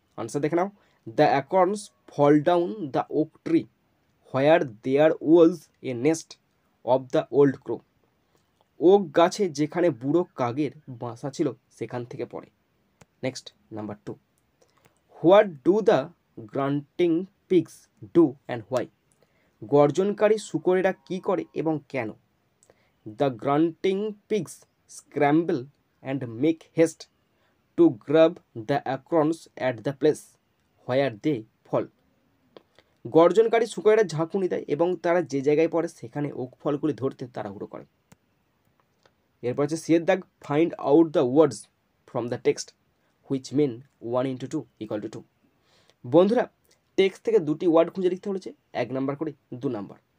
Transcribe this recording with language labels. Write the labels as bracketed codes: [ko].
[bn] Answer দেখে নাও, [en] the acorns fall down the oak tree where there was a nest of the old crow, [bn] okay গাছে যেখানে বুড়ো কাগের বাসা ছিল সেখান থেকে পড়ে। [en] next number 2, what do the grunting pigs do and why, [bn] গর্জনকারী শুকরেরা কী করে এবং কেন। [en] The grunting pigs scramble and make haste to grab the acorns at the place where they fall. [bn] গর্জনকারী শুকরেরা ঝাঁকুনি দেয় এবং তারা যে জায়গায় পড়ে সেখানে ওক ফলগুলি ধরতে তাড়াহুড়ো করে। এরপর হচ্ছে সিয়ের দাগ [en] Find out the words from the text which mean one into two equal to two. [bn] বন্ধুরা টেক্সট থেকে দুটি ওয়ার্ড খুঁজে লিখতে হয়েছে, এক নাম্বার করে দু নাম্বার।